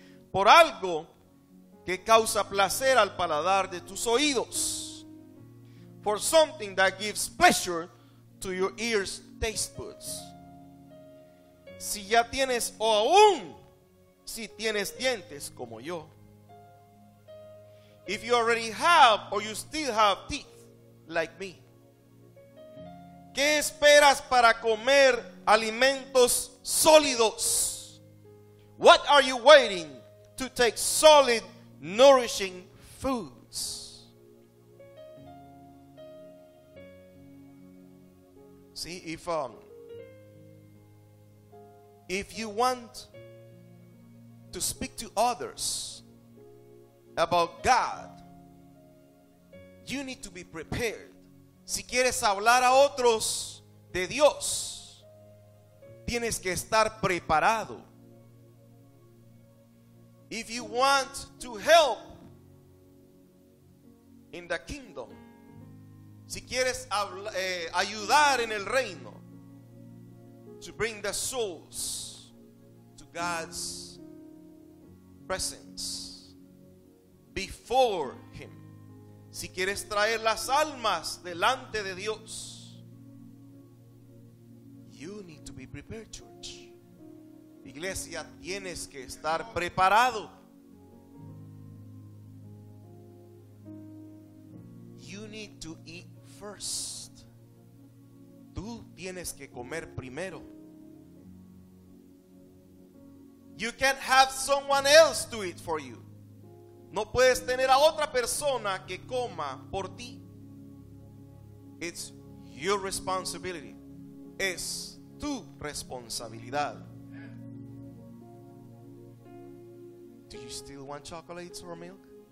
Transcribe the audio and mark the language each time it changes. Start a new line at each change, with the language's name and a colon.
Spanish: Por algo que causa placer al paladar de tus oídos.
English: For something that gives pleasure to your ears' taste buds.
Spanish: Si ya tienes, o aún si tienes dientes como yo.
English: If you already have or you still have teeth like me.
Spanish: ¿Qué esperas para comer alimentos sólidos?
English: What are you waiting to take solid, nourishing foods? See, if you want to speak to others about God, you need to be prepared.
Spanish: Si quieres hablar a otros de Dios, tienes que estar preparado.
English: If you want to help in the kingdom,
Spanish: si quieres ayudar en el reino,
English: to bring the souls to God's presence before Him,
Spanish: si quieres traer las almas delante de Dios,
English: you need to be prepared, church.
Spanish: Iglesia, tienes que estar preparado.
English: You need to eat first.
Spanish: Tú tienes que comer primero.
English: You can't have someone else do it for you.
Spanish: No puedes tener a otra persona que coma por ti.
English: It's your responsibility.
Spanish: Es tu responsabilidad.
English: Do you still want chocolates or milk?